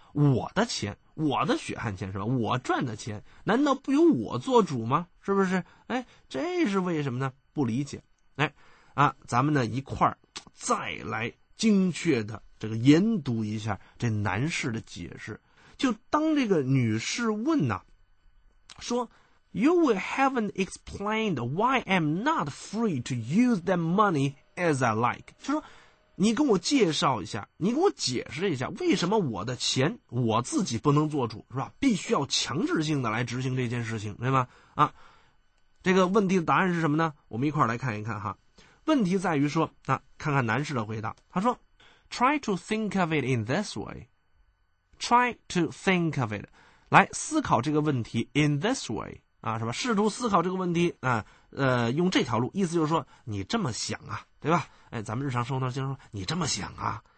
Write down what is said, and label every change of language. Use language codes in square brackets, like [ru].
[zh] 我的钱，我的血汗钱是吧？我赚的钱，难道不由我做主吗？是不是？哎，这是为什么呢？不理解。哎，啊，咱们呢一块儿再来精确的这个研读一下这男士的解释。就当这个女士问呢，说 [en] ，You will haven't explained why I'm not free to use that money as I like。 [zh] 就说你跟我介绍一下，你跟我解释一下，为什么我的钱我自己不能做主，是吧？必须要强制性的来执行这件事情，对吧？啊，这个问题的答案是什么呢？我们一块来看一看哈。问题在于说，那看看男士的回答。他说 [en] ，Try to think of it in this way. Try to think of it. [zh] 来思考这个问题 [en] in this way [zh] 啊，是吧？试图思考这个问题啊，用这条路，意思就是说你这么想啊，对吧？哎，咱们日常生活当中经常说你这么想啊。